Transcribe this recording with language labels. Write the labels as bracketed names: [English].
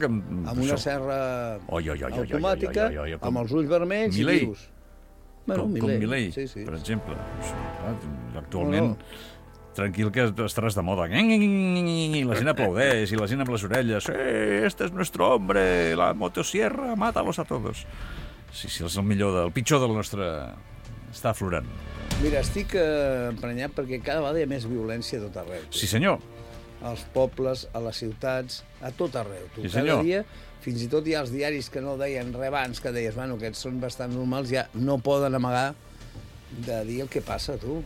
[Catalan] Amb una serra automàtica, amb els ulls vermells i vius. Com Milei, per exemple. Actualment... Tranquil, que estaràs de moda. I la gent aplaudeix, i la gent amb les orelles. [Spanish] Este es nuestro hombre, la motosierra, mátalos a todos. [Catalan] Sí, és el millor, el pitjor de la nostra... Està aflorant. Mira, estic emprenyat perquè cada vegada hi ha més violència a tot arreu. Sí, senyor. Als pobles, a les ciutats, a tot arreu. Sí, senyor. Cada dia, fins i tot hi ha els diaris que no deien res abans, que deies, bueno, aquests són bastant normals, ja no poden amagar de dir el que passa, tu.